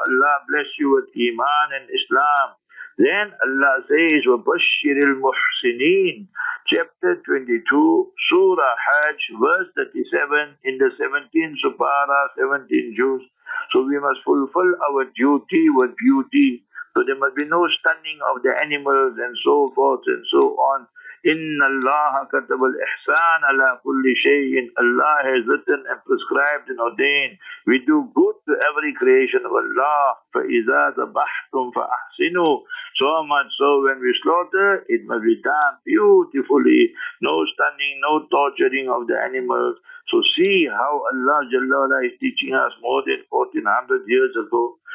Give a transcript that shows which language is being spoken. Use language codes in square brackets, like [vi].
[en] Allah bless you with Iman and Islam. Then Allah says, وَبَشِّرِ الْمُحْسِنِينَ. Chapter 22, Surah Hajj, verse 37, in the 17th Supara, 17th Juz. So we must fulfill our duty with beauty. So there must be no stunning of the animals and so forth and so on. [ar] ان الله كتب الاحسان على كل شيء. [en] Allah has written and prescribed and ordained. We do good to every creation of Allah. [ar] فَإِذَا ذَبَحْتُمْ فَأَحْسِنُوا. [en] So much so, when we slaughter, it must be done beautifully. No stunning, no torturing of the animals. So see how Allah Jalla Wala is teaching us more than 1400 years ago.